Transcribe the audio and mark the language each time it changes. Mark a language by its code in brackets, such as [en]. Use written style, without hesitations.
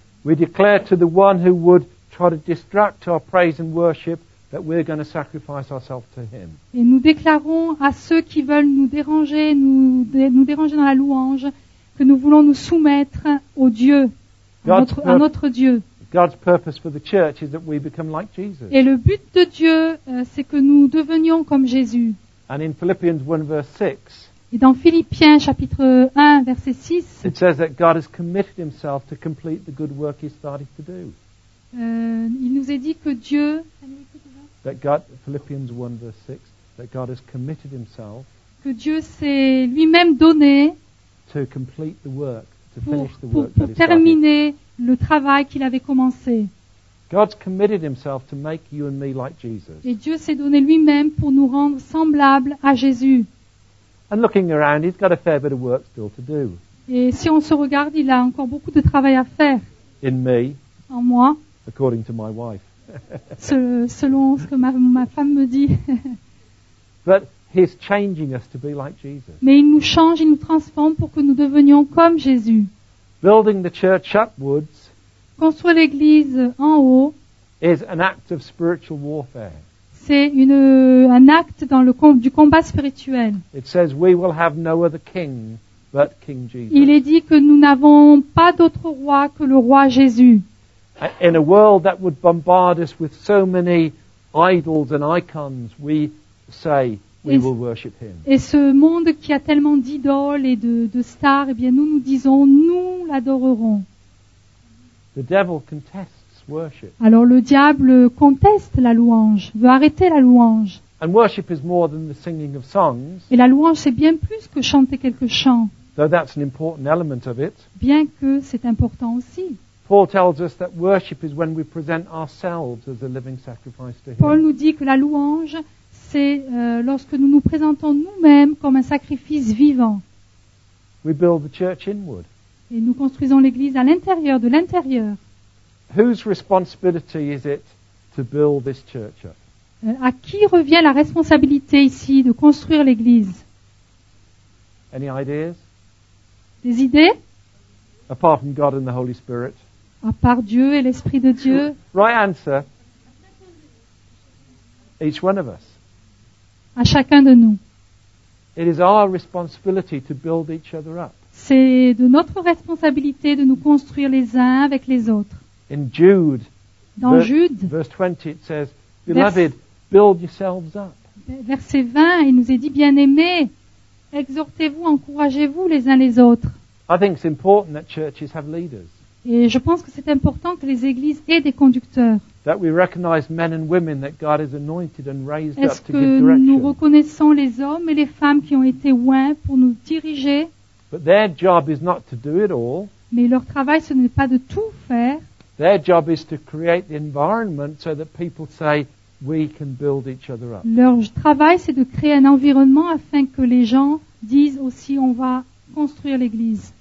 [en] We declare to the one who would try to distract our praise and worship that we're going to sacrifice ourselves to him. [fr] Et nous déclarons à ceux qui veulent nous déranger dans la louange que nous voulons nous soumettre au Dieu, à notre Dieu. [en] God's purpose for the church is that we become like Jesus. [fr] Et le but de Dieu, c'est que nous devenions comme Jésus. [en] And in Philippians 1 verse 6, [fr] et dans Philippiens chapitre 1 verset 6, [en] it says that God has committed himself to complete the good work he started to do. [fr] Il nous est dit que Dieu, [en] that God, Philippians 1 verse 6, that God has committed himself, [fr] que Dieu s'est lui-même donné, [en] to complete the work, to finish the [fr] pour [en] work that he started. [fr] Pour terminer le travail qu'il avait commencé. [en] God's committed himself to make you and me like Jesus. [fr] Et Dieu s'est donné lui-même pour nous rendre semblables à Jésus. [en] And looking around, he's got a fair bit of work still to do. [fr] Et si on se regarde, il a encore beaucoup de travail à faire. [en] In me. [fr] En moi. [en] According to my wife. [fr] selon ce que ma femme me dit. [en] But he's changing us to be like Jesus. [fr] Mais il nous change, il nous transforme pour que nous devenions comme Jésus. [en] Building the church upwards, [fr] construire l'église en haut, [en] is an act of spiritual warfare. [fr] C'est un acte du combat spirituel. [en] It says we will have no other king but King Jesus. [fr] Il est dit que nous n'avons pas d'autre roi que le roi Jésus. [en] In a world that would bombard us with so many idols and icons, we say we will worship him. [fr] Et ce monde qui a tellement d'idoles et de stars, eh bien nous disons, nous l'adorerons. [en] The devil contests worship. [fr] Alors le diable conteste la louange, veut arrêter la louange. [en] And worship is more than the singing of songs. [fr] Et la louange, c'est bien plus que chanter quelques chants. [en] Though that's an important element of it. [fr] Bien que c'est important aussi. [en] Paul tells us that worship is when we present ourselves as a living sacrifice to him. [fr] Paul nous dit que la louange, c'est lorsque nous nous présentons nous-mêmes comme un sacrifice vivant. [en] We build the church inward. [fr] Et nous construisons l'église à l'intérieur, de l'intérieur. [en] Whose responsibility is it to build this church up? [fr] À qui revient la responsabilité ici de construire l'église? [en] Any ideas? [fr] Des idées? [en] Apart from God and the Holy Spirit. [fr] À part Dieu et l'Esprit de Dieu. [en] Right answer. Each one of us. [fr] À chacun de nous. [en] It is our responsibility to build each other up. [fr] C'est de notre responsabilité de nous construire les uns avec les autres. [en] In Jude, [fr] dans Jude, [en] verse 20, it says, "Beloved, build yourselves up." [fr] Verset 20, il nous est dit, bien-aimés, exhortez-vous, encouragez-vous les uns les autres. [en] I think it's important that churches have leaders. [fr] Et je pense que c'est important que les églises aient des conducteurs. Est-ce que nous reconnaissons les hommes et les femmes qui ont été oints pour nous diriger? [en] But their job is not to do it all. [fr] Mais leur travail, ce n'est pas de tout faire. [en] Their job is to create the environment so that people say we can build each other up. [fr] Leur travail, c'est de créer un environnement afin que les gens disent aussi on va construire l'église.